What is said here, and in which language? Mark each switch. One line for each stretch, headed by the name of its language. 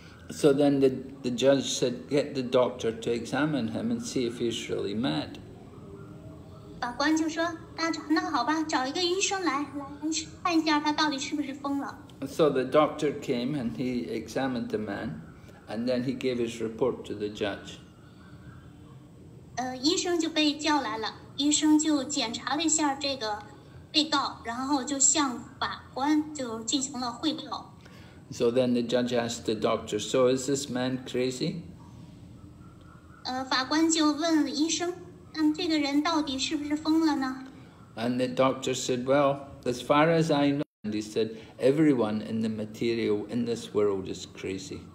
English: So then the judge said, get the doctor to examine him and see if he's really mad.
Chinese: 法官就说，那好吧，找一个医生来看一下他到底是不是疯了。
English: So the doctor came and he examined the man, and then he gave his report to the judge.
Chinese: 医生就被叫来了，医生就检查了一下这个被告，然后就向法官就进行了汇报。
English: So then the judge asked the doctor, so is this man crazy?
Chinese: 法官就问医生。
English: And the doctor said, well, as far as I know, and he said, everyone in the material, in this world is crazy.